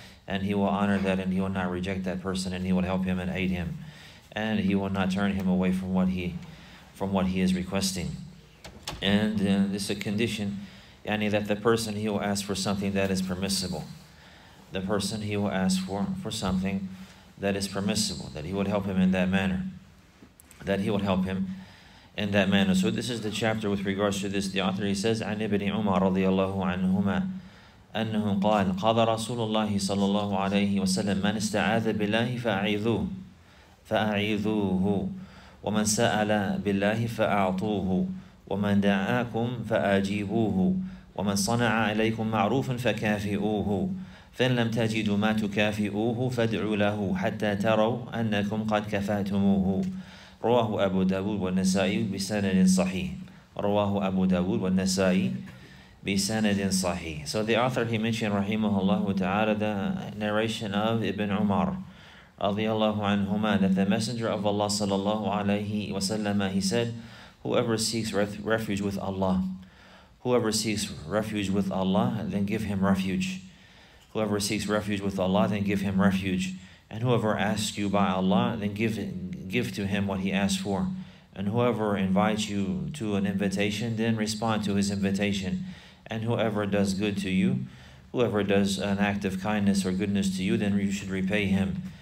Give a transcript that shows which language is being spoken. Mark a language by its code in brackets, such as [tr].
[en] and he will honor that, and he will not reject that person, and he will help him and aid him, and he will not turn him away from what he is requesting. And this is a condition, yani, that the person, he will ask for something that is permissible. The person, he will ask for something that is permissible, that he would help him in that manner. That he would help him in that manner. So this is the chapter with regards to this. The author, he says, [ar] عن ابن عمر رضي الله عنهما أنه قال قال رسول الله صلى الله عليه وسلم من استعاذ بالله فأعيذوه ومن سأل بالله فأعطوه ومن دعاكم فأجيبوه ومن صنع عليكم معروفا فكافئوه فإن لم تجدوا ما تكافئوه فادعوا له حتى تروا أنكم قد كفأتموه رواه أبو داود والنسائي بسند صحيح رواه أبو داود والنسائي بسند صحيح [en] So the author, he mentioned, [ar] رحمه الله تعالى, [en] the narration of Ibn Umar رضي الله عنهما, that the messenger of Allah صلى الله عليه وسلم, he said, whoever seeks refuge with Allah, whoever seeks refuge with Allah, then give him refuge. Whoever seeks refuge with Allah, then give him refuge. And whoever asks you by Allah, then give to him what he asks for. And whoever invites you to an invitation, then respond to his invitation. And whoever does good to you, whoever does an act of kindness or goodness to you, then you should repay him.